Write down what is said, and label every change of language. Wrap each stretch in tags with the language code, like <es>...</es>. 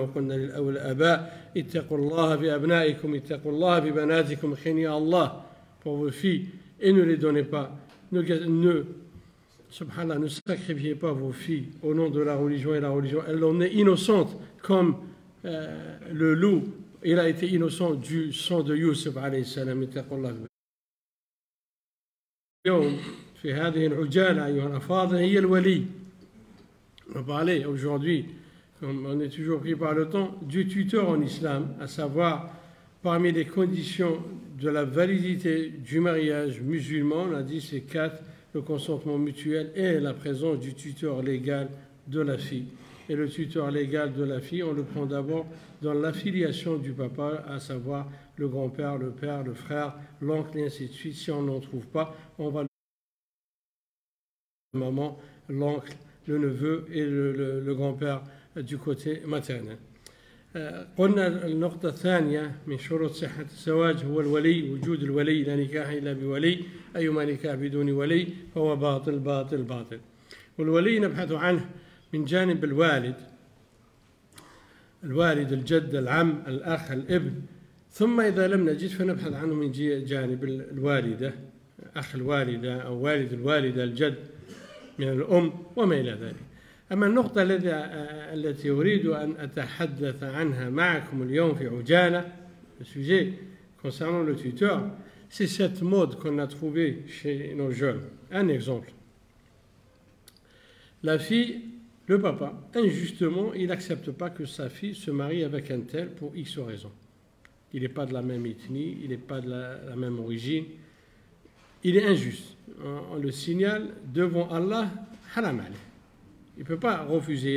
<ar>وقلنا للأول أباء اتقوا الله في أبنائكم اتقوا الله في بناتكم خنيا الله فوفي إنو لدوني با نو سبحان الله نو ساكريفي با فوفي</ar> <fr>au nom de la religion et la religion elle en est innocente comme le loup il a été innocent du sang de Youssef</fr> <ar>عليه السلام اتقوا الله. اليوم في هذه العجالة أيها الأفاضل هي الولي.</ar> <fr>On va parler aujourd'hui On est toujours pris par le temps du tuteur en islam, à savoir parmi les conditions de la validité du mariage musulman, on a dit c'est quatre, le consentement mutuel et la présence du tuteur légal de la fille. Et le tuteur légal de la fille, on le prend d'abord dans l'affiliation du papa, à savoir le grand-père, le père, le frère, l'oncle et ainsi de suite. Si on n'en trouve pas, on va la maman, l'oncle, le neveu et le grand-père du côté maternel.</fr> <ar>قلنا النقطة الثانية من شروط صحة الزواج هو الولي وجود الولي لا نكاح إلا بولي أيما نكاح بدون ولي فهو باطل باطل باطل والولي نبحث عنه من جانب الوالد الوالد الجد العم الأخ الابن ثم إذا لم نجد فنبحث عنه من جانب الوالدة أخ الوالدة أو والد الوالدة الجد من الأم وما إلى ذلك أما النقطة التي أريد أن أتحدث عنها معكم اليوم في عجالة السوجي</ar> <fr>concernant le tuteur c'est cette mode qu'on a trouvé chez nos jeunes. Un exemple. La fille, le papa, injustement, il n'accepte pas que sa fille se marie avec un tel pour X raisons. Il n'est pas de la même ethnie, il n'est pas de la même origine. Il est injuste. On le signale devant Allah, haram alayh. Il ne peut pas refuser.</fr>